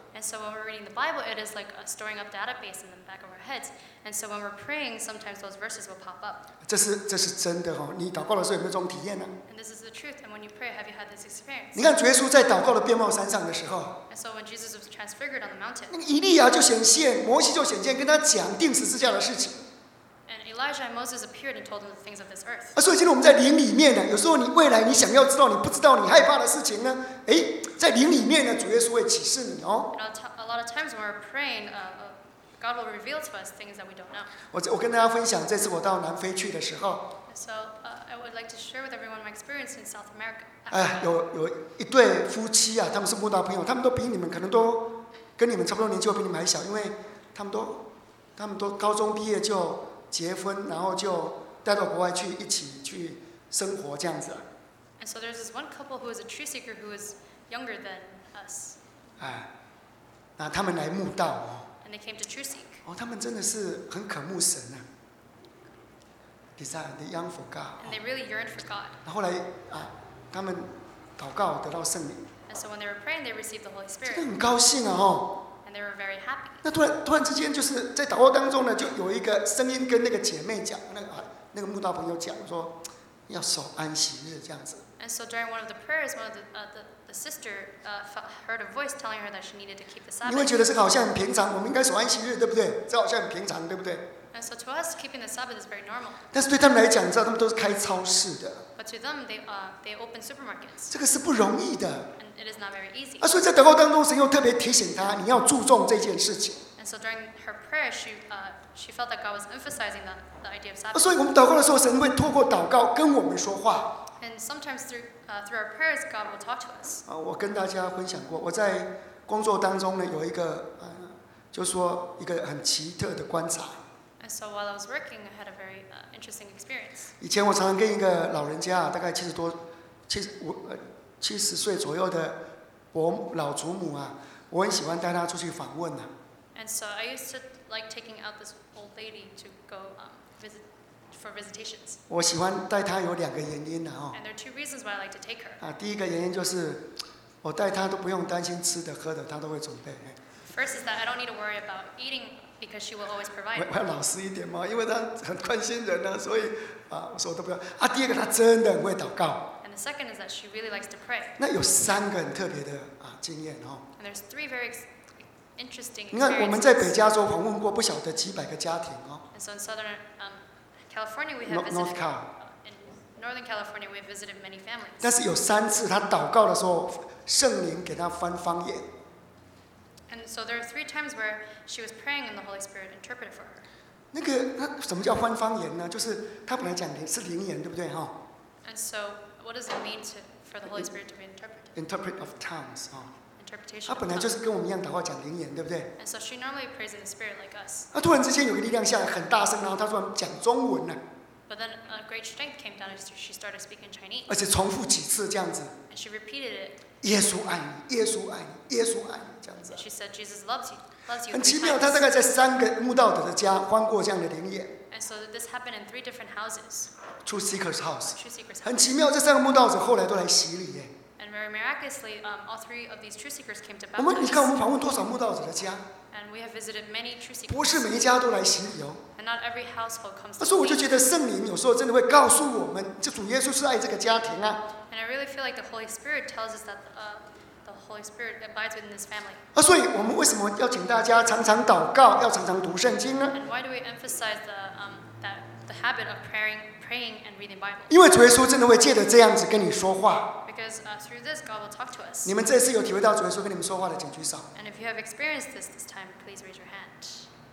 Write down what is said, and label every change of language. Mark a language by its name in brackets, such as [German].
[English] And so when we're reading the Bible, it is like a storing up database in the back of our heads. And so when we're praying, sometimes those verses will pop up. [Chinese] 这是真的哦，你祷告的时候有没有这种体验呢？ [English] And this is the truth. And when you pray, have you had this experience? [Chinese] 你看主耶稣在祷告的变貌山上的时候。 [English] And so when Jesus was transfigured on the mountain. [Chinese] 那个以利亚就显现，摩西就显现，跟他讲钉十字架的事情。 [English] And Elijah and Moses appeared and told them the things of this earth. [Chinese] 啊，所以今天我们在灵里面呢，有时候你未来你想要知道你不知道你害怕的事情呢，哎，在灵里面呢，主耶稣会启示你哦。 [English] A lot of times when we're praying, God will reveal to us things that we don't know. [Chinese] 我跟大家分享这次我到南非去的时候。 [English] So I would like to share with everyone my experience in South America. [Chinese] 哎，有一对夫妻啊，他们是慕道朋友，他们都比你们可能都跟你们差不多年纪，比你们还小，因为他们都高中毕业就。结婚，然后就带到国外去一起去生活这样子。 [English] And so there's this one couple who is a tree seeker who is younger than us. [Chinese] 哎，那他们来慕道哦。 [English] And they came to tree seek. [Chinese] 哦，他们真的是很渴慕神呐、啊。 [English] They yearn for God. And they really yearned for God. [Chinese] 然后来啊，他们祷告得到圣灵。 [English] And so when they were praying, they received the Holy Spirit. [Chinese] 真的很高兴啊哦。 [English] And they were very happy. [Chinese] 那突然之间，就是在祷告当中呢，就有一个声音跟那个姐妹讲，那个慕道朋友讲说，要守安息日这样子。 [English] And so during one of the prayers, one of the sister heard a voice telling her that she needed to keep the Sabbath. [Chinese] 你会觉得这个好像很平常，我们应该守安息日，对不对？这好像很平常，对不对 [English] ？And so to us, keeping the Sabbath is very normal. [Chinese] 但是对他们来讲，你知道他们都是开超市的。 [English] But to them, they open supermarkets. [Chinese] 这个是不容易的。 [English] It is not very easy. [Chinese] 啊，所以在祷告当中，神又特别提醒他，你要注重这件事情。 [English] And so during her prayer, she felt that God was emphasizing the idea of Sabbath. [Chinese] 啊，所以我们祷告的时候，神会透过祷告跟我们说话。 [English] And sometimes through our prayers, God will talk to us. [Chinese] 啊，我跟大家分享过，我在工作当中呢，有一个就说一个很奇特的观察。 [English] And so while I was working, I had a very interesting experience. [Chinese] 以前我常常跟一个老人家，大概七十岁左右的老祖母啊，我很喜欢带她出去访问呢、啊。 [English] And so I used to like taking out this old lady to go visit for visitations. [Chinese] 我喜欢带她有两个原因呢、啊、哦。 [English] And there are two reasons why I like to take her. [Chinese] 啊，第一个原因就是我带她都不用担心吃的喝的，她都会准备。 [English] First is that I don't need to worry about eating because she will always provide. [Chinese] 我要老实一点嘛，因为她很关心人呢、啊，所以啊，我说我都不要。啊，第二个她真的很会祷告。 [English] The second is that she really likes to pray. [Chinese] 那有三个很特别的啊经验哦。 [English] And there's three very interesting experiences. [Chinese] 你看我们在北加州访问过不晓得几百个家庭哦。 [English] And so in Southern California we have visited. North Cal. In Northern California we visited many families. [Chinese] 但是有三次她祷告的时候，圣灵给她翻方言。 [English] And so there are three times where she was praying and the Holy Spirit interpreted for her. [Chinese] 那什么叫翻方言呢？就是她本来讲的是灵言，对不对哈、哦、 [English] ？And so What does it mean for the Holy Spirit to be interpreted? Interpret of tongues, 啊、哦。 Interpretation. [Chinese] 他本来就是跟我们一样祷告讲灵言，对不对 [English] ？And so she normally prays in the spirit like us. [Chinese] 啊，突然之间有个力量下来，很大声，然后他突然讲中文了。 [English] But then a great strength came down, and she started speaking Chinese. [Chinese] 而且重复几次这样子。 [English] And she repeated it. [Chinese] 耶稣爱你，耶稣爱你，耶稣爱你，这样子。 [English] She said Jesus loves you, loves you. [Chinese] 很奇妙，他大概在三个慕道者的家翻过这样的灵言。 [English] And so this happened in three different houses. True Seeker's House. True Seeker's House. [Chinese] 很奇妙，这三个慕道者后来都来洗礼耶。 [English] And very miraculously, all three of these truth seekers came to baptize. [Chinese] 我们访问多少慕道者的家？ [English] And we have visited many true seekers. [Chinese] 不是每一家都来洗礼哦。 [English] And not every household comes. [Chinese] 所以我就觉得圣灵有时候真的会告诉我们，这主耶稣是爱这个家庭啊。 [English] And I really feel like the Holy Spirit tells us that the Holy Spirit abides within this family. [Chinese] 所以我们为什么要请大家常常祷告，要常常读圣经呢？ [English] And why do we emphasize the habit of praying and reading the Bible? [Chinese] 因为主耶稣真的会借着这样子跟你说话。 [English] Because through this, God will talk to us. [Chinese] 你们这次有体会到主耶稣跟你们说话的，请举手。 [English] And if you have experienced this time, please raise your hand.